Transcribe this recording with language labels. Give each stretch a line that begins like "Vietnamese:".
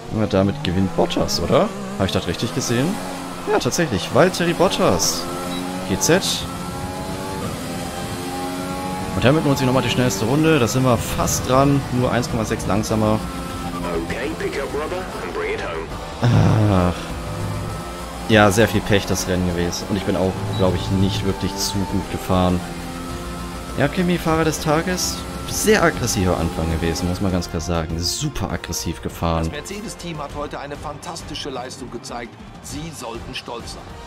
German: Damit gewinnt Bottas, oder? Habe ich das richtig gesehen? Ja, tatsächlich. Valtteri Bottas. GZ. Und damit nutze ich nochmal die schnellste Runde. Da sind wir fast dran. Nur 1,6 langsamer.
English: Okay, pick up rubber and bring it home.
German: Ach. Ja, sehr viel Pech das Rennen gewesen. Und ich bin auch, glaube ich, nicht wirklich zu gut gefahren. Ja, Kimi, Fahrer des Tages. Sehr aggressiver Anfang gewesen, muss man ganz klar sagen. Super aggressiv gefahren. Das Mercedes-Team hat heute eine fantastische Leistung gezeigt. Sie sollten stolz sein.